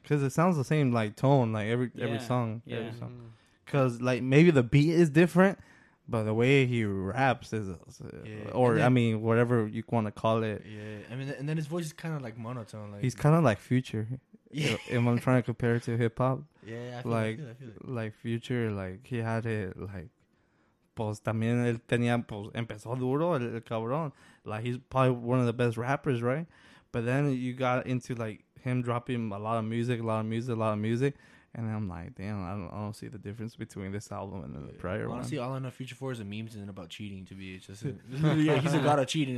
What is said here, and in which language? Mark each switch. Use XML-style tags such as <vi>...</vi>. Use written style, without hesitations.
<en>Because it sounds the same, like, tone, like, every song. Yeah. Every song. Mm. Cause like maybe the beat is different, but the way he raps is, whatever you want to call it. Yeah, I mean, and then his voice is kind of like monotone. Like, he's kind of like Future. Yeah, if I'm trying to compare it to hip hop. Yeah, I feel like</en> <es>Future,</es> <en>like he had it like,</en> <es>pues también él tenía pues empezó duro el cabrón.</es> <en>Like he's probably one of the best rappers, right? But then you got into like him dropping a lot of music. And I'm like, damn, I don't see the difference between this album and the prior one. Honestly, all I know Future 4 is a meme and about cheating, to be just yeah, he's a god of cheating.</en>